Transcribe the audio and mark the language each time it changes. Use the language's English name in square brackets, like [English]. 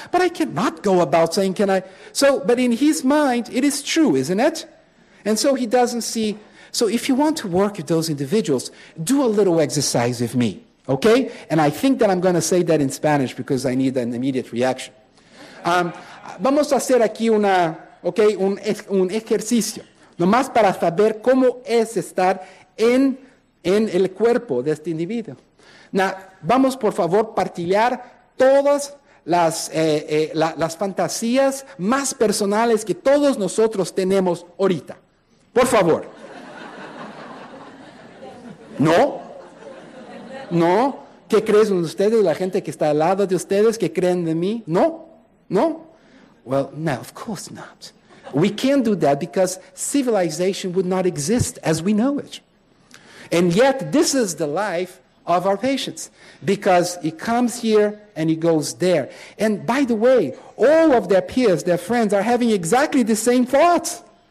[English] But I cannot go about saying, can I? So, but in his mind, it is true, isn't it? And so he doesn't see. So if you want to work with those individuals, do a little exercise with me, okay? And I think that I'm going to say that in Spanish because I need an immediate reaction. [Spanish] Vamos a hacer aquí una, okay, un ejercicio. Nomás para saber cómo es estar en el cuerpo de este individuo. Now, vamos por favor partillar todas las fantasías más personales que todos nosotros tenemos ahorita. Por favor. ¿No? ¿No? ¿Qué creen ustedes, la gente que está al lado de ustedes, que creen de mí? [English] ¿No? ¿No? Well, no, of course not. We can't do that because civilization would not exist as we know it. And yet, this is the life of our patients, because it comes here and it goes there. And by the way, all of their peers, their friends, are having exactly the same thoughts.